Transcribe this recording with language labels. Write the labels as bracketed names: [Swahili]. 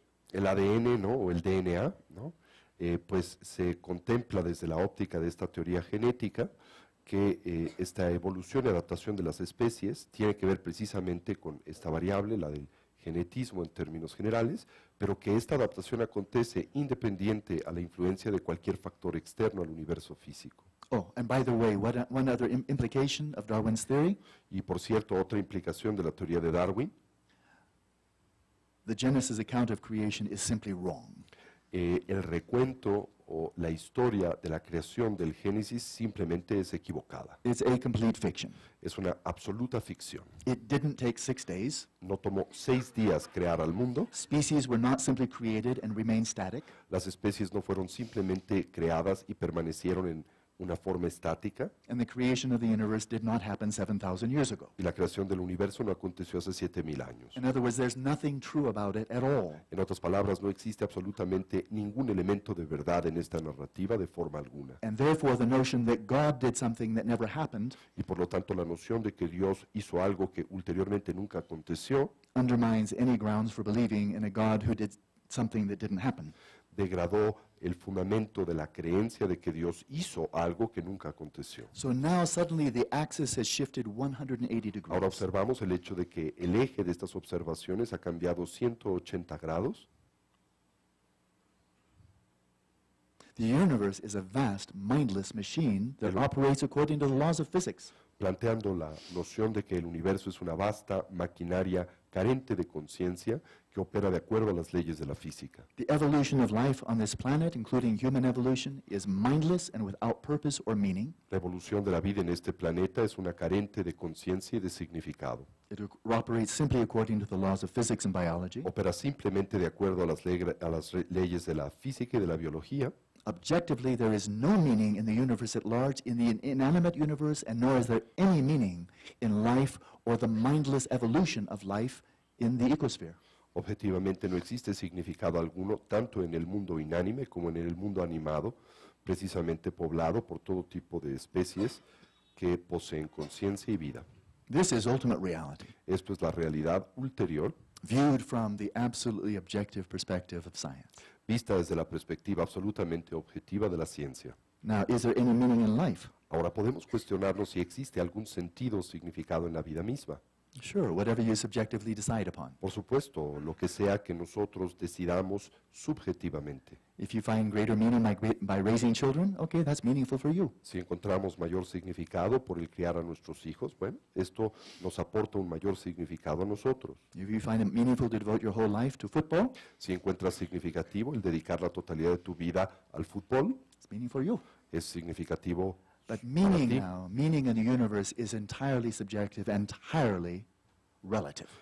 [Spanish] El ADN, ¿no? O el DNA, ¿no? Pues se contempla desde la óptica de esta teoría genética que esta evolución y adaptación de las especies tiene que ver precisamente con esta variable, la del genetismo en términos generales, pero que esta adaptación acontece independiente a la influencia de cualquier factor externo al universo físico. [English] Oh, and by the way, one other implication of Darwin's theory? [Spanish] Y por cierto, otra implicación de la teoría de Darwin. [English] The Genesis account of creation is simply wrong. [Spanish] El recuento o la historia de la creación del Génesis simplemente es equivocada. [English] It's a complete fiction. [Spanish] Es una absoluta ficción. [English] It didn't take 6 days. [Spanish] No tomó 6 días crear al mundo. [English] Species were not simply created and remained static. [Spanish] Las especies no fueron simplemente creadas y permanecieron en una forma estática. [English] And the creation of the universe did not happen 7,000 years ago. [Spanish] Y la creación del universo no aconteció hace 7,000 años. [English] In other words, there's nothing true about it at all. [Spanish] En otras palabras, no existe absolutamente ningún elemento de verdad en esta narrativa de forma alguna. [English] And therefore, the notion that God did something that never happened. [Spanish] Y por lo tanto, la noción de que Dios hizo algo que ulteriormente nunca aconteció. [English] Undermines any grounds for believing in a God who did something that didn't happen. [Spanish] Degradó el fundamento de la creencia de que Dios hizo algo que nunca aconteció. [English] So now suddenly the axis has shifted 180 degrees. [Spanish] Ahora observamos el hecho de que el eje de estas observaciones ha cambiado 180 grados. [English] The universe is a vast, mindless machine that operates according to the laws of physics. [Spanish] Planteando la noción de que el universo es una vasta maquinaria carente de conciencia que opera de acuerdo a las leyes de la física. [English] The evolution of life on this planet, including human evolution, is mindless and without purpose or meaning. [Spanish] La evolución de la vida en este planeta es una carente de conciencia y de significado. [English] It operates simply according to the laws of physics and biology. [Spanish] Opera simplemente de acuerdo a las leyes de la física y de la biología. [English] Objectively, there is no meaning in the universe at large, in the inanimate universe, and nor is there any meaning in life or the mindless evolution of life in the ecosphere. [Spanish] Objetivamente, no existe significado alguno, tanto en el mundo inánime como en el mundo animado, precisamente poblado por todo tipo de especies que poseen conciencia y vida. [English] This is ultimate reality. [Spanish] Esto es la realidad ulterior. [English] Viewed from the absolutely objective perspective of science. [Spanish] Vista desde la perspectiva absolutamente objetiva de la ciencia. [English] Now, is there any meaning in life? [Spanish] Ahora podemos cuestionarnos si existe algún sentido o significado en la vida misma. [English] Sure, whatever you subjectively decide upon. [Spanish] Por supuesto, lo que sea que nosotros decidamos subjetivamente. [English] If you find greater meaning by raising children, okay, that's meaningful for you. [Spanish] Si encontramos mayor significado por el criar a nuestros hijos, bueno, esto nos aporta un mayor significado a nosotros. [English] If you find it meaningful to devote your whole life to football, [Spanish] si encuentras significativo el dedicar la totalidad de tu vida al fútbol, [English] it's meaningful for you. [Spanish] Es significativo. [English] But meaning now, meaning in the universe is entirely subjective, entirely relative.